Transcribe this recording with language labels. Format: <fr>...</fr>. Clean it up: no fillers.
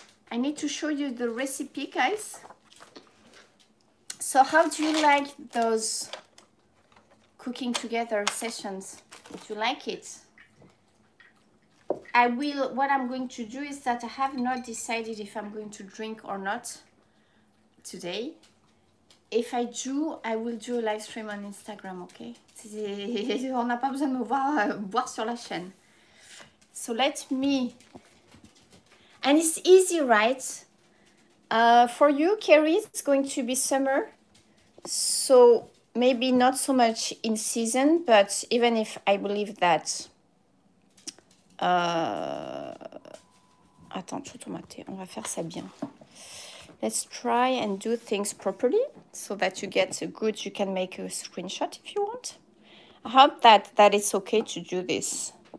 <en>I need to show you the recipe, guys. So how do you like those cooking together sessions? Do you like it? What I'm going to do is that I have not decided if I'm going to drink or not today. If I do, I will do a live stream on Instagram, okay?</en> <fr>On n'a pas besoin de me voir boire sur la chaîne.</fr> <en>So let me, and it's easy, right? For you, Kerry, it's going to be summer. So maybe not so much in season, but even if I believe that.</en> <fr>Attends, tout tomate, on va faire ça bien.</fr> <en>Let's try and do things properly so that you get a good, you can make a screenshot if you want. I hope that it's okay to do this.</en>